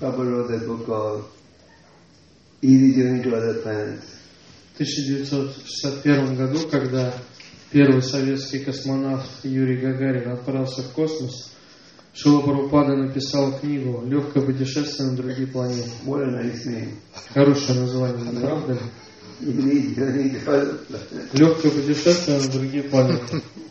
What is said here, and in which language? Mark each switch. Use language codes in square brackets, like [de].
[en] Prabhupada wrote that book called Easy Journey to Other Planets. [ru] В 1961 году, когда первый советский космонавт Юрий Гагарин отправился в космос, Шрила Прабхупада написал книгу «Легкое путешествие на другие планеты». [en] What a nice name. [ru] Хорошее название, правда? [en] Easy Journey to Other Planets. [ru] «Легкое путешествие на другие планеты».